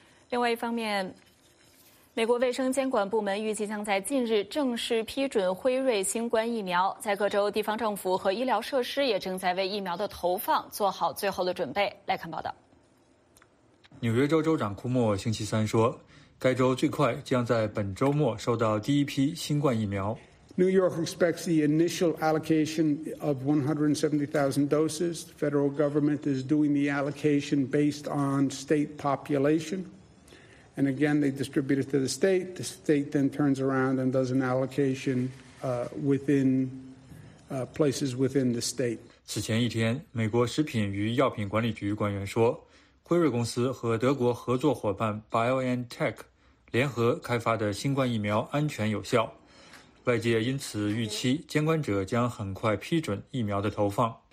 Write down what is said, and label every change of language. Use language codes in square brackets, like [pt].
[zh] 另外一方面，美国卫生监管部门预计将在近日正式批准辉瑞新冠疫苗，在各州地方政府和医疗设施也正在为疫苗的投放做好最后的准备。来看报道。纽约州州长库莫星期三说，该州最快将在本周末收到第一批新冠疫苗。 [en] New York expects the initial allocation of 170,000 doses. The federal government is doing the allocation based on state population. And again, they distribute it to the state. The state then turns around and does an allocation within places within the state. [zh] 此前一天，美国食品与药品管理局官员说，辉瑞公司和德国合作伙伴 BioNTech 联合开发的新冠疫苗安全有效。外界因此预期监管者将很快批准疫苗的投放。